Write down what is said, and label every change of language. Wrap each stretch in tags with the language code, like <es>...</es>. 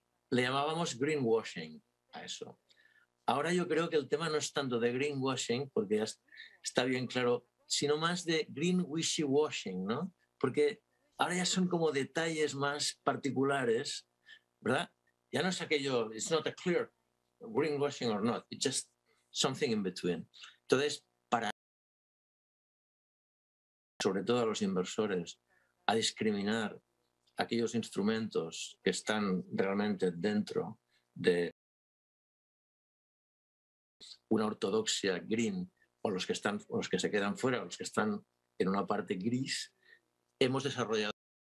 <es>Le llamábamos greenwashing a eso. Ahora yo creo que el tema no es tanto de greenwashing, porque ya está bien claro, sino más de green wishy-washing, ¿no? Porque ahora ya son como detalles más particulares, ¿verdad? Ya no es aquello,</es> <en>it's not a clear greenwashing or not, it's just something in between.</en> <es>Entonces, para sobre todo a los inversores, a discriminar aquellos instrumentos que están realmente dentro de una ortodoxia green, o los que están, o los que se quedan fuera, o los que están en una parte gris, hemos desarrollado</es>